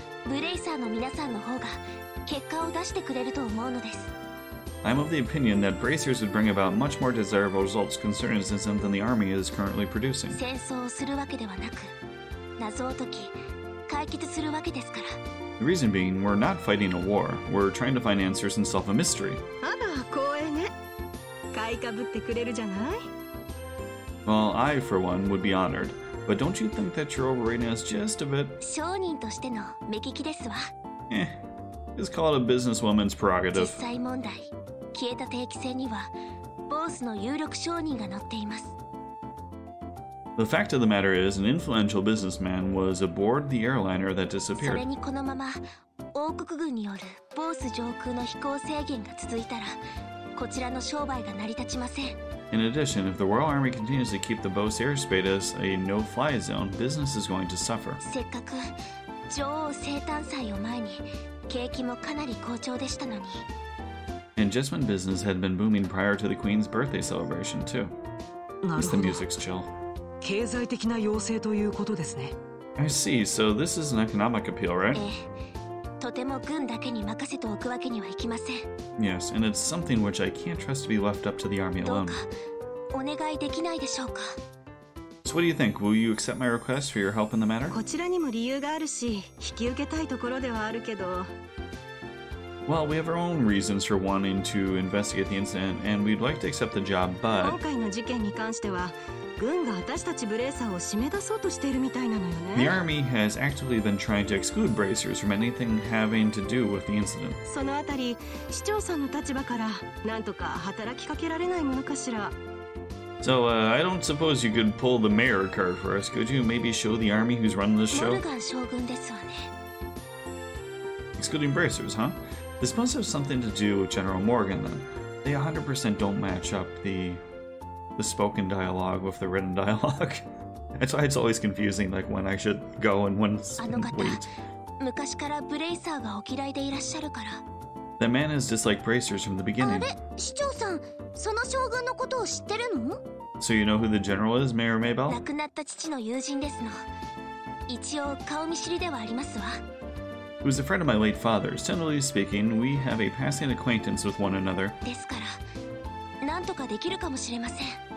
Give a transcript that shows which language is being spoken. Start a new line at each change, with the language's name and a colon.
Japanese: ブレイサーの皆さんの方が結果を出してくれると思うのです。
English: I'm of the opinion that bracers would bring about much more desirable results concerning this than the army is currently producing.
Japanese: 戦争をするわけではなく、謎を解き、解決するわけですから。
English: The reason being, we're not fighting a war. We're trying to find answers and solve a mystery.
Japanese: あら、光栄ね。買いかぶってくれるじゃない?
English: Well, I, for one, would be honored. But don't you think that you're overrating us just a bit?
Japanese: 商人としての目利きですわ。
English: It's called a businesswoman's prerogative.
Japanese: 実際問題、消えた定期船にはボスの有力商人が乗っています。
English: The fact of the matter is, an influential businessman was aboard the airliner that disappeared.
Japanese: それにこのまま王国軍によるボス上空の飛行制限が続いたら、こちらの商売が成り立ちません。
English: In addition, if the Royal Army continues to keep the Bose airspace as a no-fly zone, business is going to suffer.
Japanese: せっかく女王生誕祭を前に景気もかなり好調でしたのに。
English: And just when business had been booming prior to the Queen's birthday celebration, too.
Japanese: なるほど。
English: The music's chill.
Japanese: 経済的な要請ということですね。
English: I see, so this is an economic appeal, right?
Japanese: ええ。とても軍だけに任せておくわけにはいきません。
English: Yes, and it's something which I can't trust to be left up to the army alone.
Japanese: どうかお願いできないでしょうか?
English: So what do you think? Will you accept my request for your help in the matter?
Japanese: こちらにも理由があるし、引き受けたいところではあるけど。
English: Well, we have our own reasons for wanting to investigate the incident, and we'd like to accept the job, but...
Japanese: 今回の事件に関しては、軍が私たちブレーサーを締め出そうとしているみたいなのよね。
English: The army has actively been trying to exclude bracers from anything having to do with the incident.
Japanese: そのあたり、市長さんの立場から、なんとか働きかけられないものかしら。
English: So, I don't suppose you could pull the mayor card for us, could you? Maybe show the army who's running this show?
Japanese: モルガン将軍ですわね。
English: Excluding bracers, huh? This must have something to do with General Morgan, then. They 100% don't match up the spoken dialogue with the written dialogue. That's why it's always confusing, like, when I should go and when to wait.
Japanese: 昔からブレイサーがお嫌いでいらっしゃるから。
English: That man is disliked bracers from the beginning.
Japanese: あれ、市長さん、その将軍のことを知ってるの?
English: So you know who the general is, Mayor Maybell?
Japanese: 亡くなった父の友人ですの。一応、顔見知りではありますわ。
English: Who's a friend of my late father's. Generally speaking, we have a passing acquaintance with one another.
Japanese: ですから、なんとかできるかもしれません。